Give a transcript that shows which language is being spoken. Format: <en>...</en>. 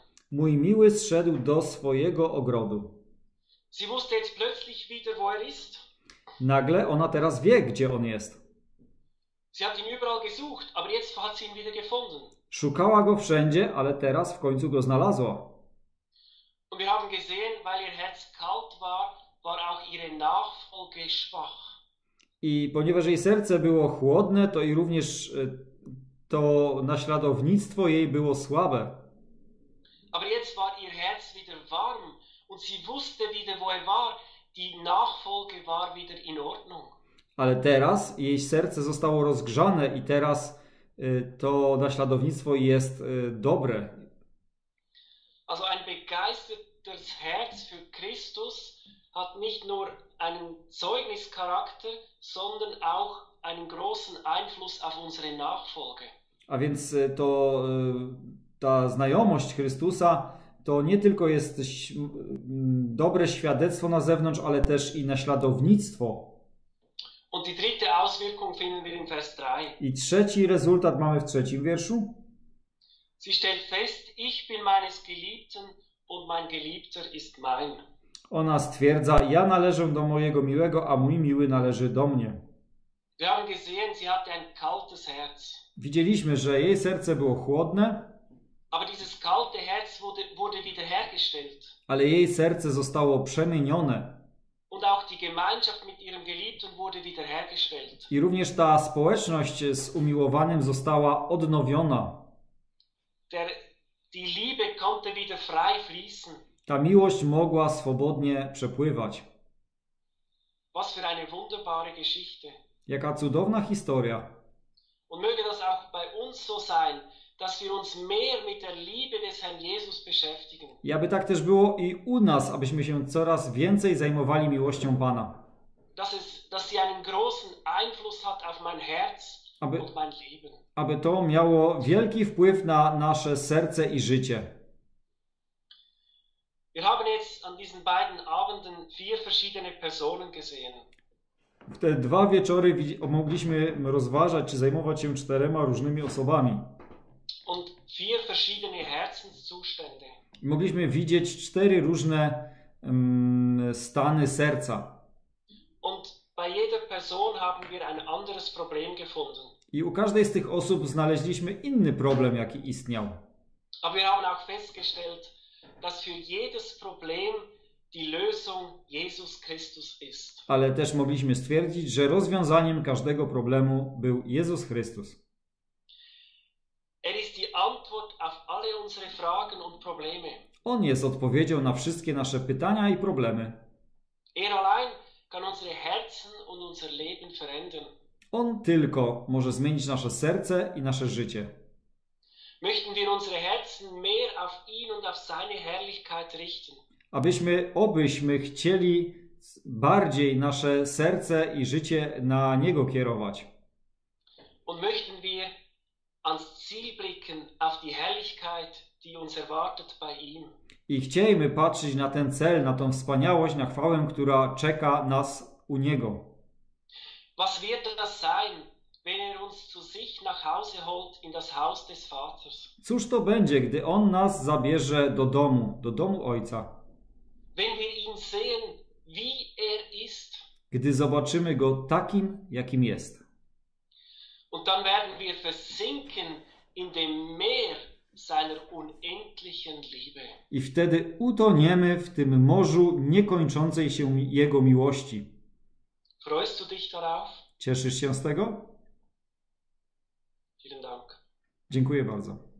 <pl>Mój miły zszedł do swojego ogrodu.</pl> <de>Sie wusste jetzt plötzlich wieder, wo er ist.</de> <pl>Nagle ona teraz wie, gdzie on jest.</pl> <de>Sie hat ihn überall gesucht, aber jetzt hat sie ihn wieder gefunden.</de> <pl>Szukała go wszędzie, ale teraz w końcu go znalazła.</pl> <de>Und wir haben gesehen, weil ihr Herz kalt war, war auch ihre Nachfolge schwach.</de> <pl>I ponieważ jej serce było chłodne, to i również to naśladownictwo jej było słabe.</pl> <de>Aber jetzt war ihr Herz wieder warm. Und sie wusste wieder, wo er war. Die Nachfolge war wieder in Ordnung.</de> <pl>Ale teraz jej serce zostało rozgrzane i teraz to naśladownictwo jest dobre.</pl> <de>Also ein begeistertes Herz für Christus hat nicht nur einen Zeugnischarakter, sondern auch einen großen Einfluss auf unsere Nachfolge.</de> <pl>A więc to ta znajomość Chrystusa to nie tylko jest dobre świadectwo na zewnątrz, ale też i naśladownictwo.</pl> <de>Und die dritte Auswirkung finden wir in Vers 3.</de> <pl>I trzeci rezultat mamy w trzecim wierszu.</pl> <de>Sie stellt fest, ich bin meines Geliebten und mein Geliebter ist mein.</de> <pl>Ona stwierdza, ja należę do mojego miłego, a mój miły należy do mnie.</pl> <de>Wir haben gesehen, sie hatte ein kaltes Herz.</de> <pl>Widzieliśmy, że jej serce było chłodne.</pl> <de>Aber dieses kalte Herz wurde wiederhergestellt.</de> <pl>Ale jej serce zostało przemienione.</pl> <de>Und auch die Gemeinschaft mit ihrem Geliebten wurde wiederhergestellt.</de> <pl>I również ta społeczność z umiłowanym została odnowiona.</pl> <de>Die Liebe konnte wieder frei fließen.</de> <pl>Ta miłość mogła swobodnie przepływać.</pl> <de>Was für eine wunderbare Geschichte.</de> <pl>Jaka cudowna historia.</pl> <de>Und möge das auch bei uns so sein, dass wir uns mehr mit der Liebe des Herrn Jesus beschäftigen.</de> <pl>I aby tak też było i u nas, abyśmy się coraz więcej zajmowali miłością Pana.</pl> <de>Dass sie einen großen Einfluss hat auf mein Herz und mein Leben.</de> <pl>Aby to miało wielki wpływ na nasze serce i życie.</pl> <de>Wir haben jetzt an diesen beiden Abenden vier verschiedene Personen gesehen.</de> <pl>W te dwa wieczory mogliśmy rozważać czy zajmować się czterema różnymi osobami.</pl> <de>Und vier verschiedene Herzenszustände.</de> <pl>Mogliśmy widzieć cztery różne stany serca.</pl> <de>Und bei jeder Person haben wir ein anderes Problem gefunden.</de> <pl>I u każdej z tych osób znaleźliśmy inny problem, jaki istniał.</pl> <de>Aber wir haben auch festgestellt, dass für jedes Problem die Lösung Jesus Christus ist.</de> <pl>Ale też mogliśmy stwierdzić, że rozwiązaniem każdego problemu był Jezus Chrystus.</pl> <de>Er ist die Antwort auf alle unsere Fragen und Probleme.</de> <pl>On jest odpowiedzią na wszystkie nasze pytania i problemy.</pl> <de>Er allein kann unsere Herzen und unser Leben verändern.</de> <pl>On tylko może zmienić nasze serce i nasze życie.</pl> <de>Möchten wir unsere Herzen mehr auf ihn und auf seine Herrlichkeit richten?</de> <pl>Abyśmy chcieli bardziej nasze serce i życie na Niego kierować.</pl> <de>Und möchten wir ans Ziel blicken auf die Herrlichkeit, die uns erwartet bei ihm.</de> <pl>I chcielibyśmy patrzeć na ten cel, na tą wspaniałość, na chwałę, która czeka nas u Niego.</pl> <de>Was wird das sein, wenn er uns zu sich nach Hause holt in das Haus des Vaters?</de> <pl>Cóż to będzie, gdy On nas zabierze do domu Ojca?</pl> <de>Wenn wir ihn sehen, wie er ist.</de> <pl>Gdy zobaczymy Go takim, jakim jest.</pl> <de>Und dann werden wir versinken in dem Meer seiner unendlichen Liebe.</de> <pl>I wtedy utoniemy w tym morzu niekończącej się Jego miłości.</pl> <de>Freust du dich darauf?</de> <pl>Cieszysz się z tego?</pl> <de>Vielen Dank.</de> <pl>Dziękuję bardzo.</pl>